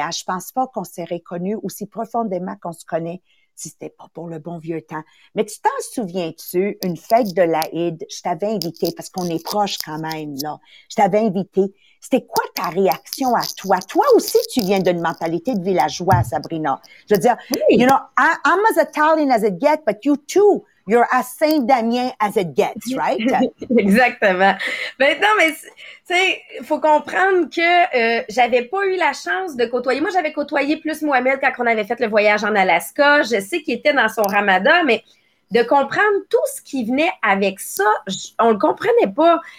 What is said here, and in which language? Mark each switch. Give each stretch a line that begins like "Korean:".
French: Hein? Je pense pas qu'on s'est reconnus aussi profondément qu'on se connaît, si c'était pas pour le bon vieux temps. Mais tu t'en souviens-tu, une fête de l'Aïd, je t'avais invité, parce qu'on est proche quand même, là. Je t'avais invité. C'était quoi ta réaction à toi? Toi aussi, tu viens d'une mentalité de villageois, Sabrina. Je veux dire, oui.
English: You know, I'm as Italian as it gets, but you too, you're as Saint-Damien as it gets, right?
French: Exactement. Maintenant, mais tu sais, il faut comprendre que j'avais pas eu la chance de côtoyer. Moi, j'avais côtoyé plus Mohamed quand on avait fait le voyage en Alaska. Je sais qu'il était dans son ramadan, mais de comprendre tout ce qui venait avec ça, on le comprenait pas.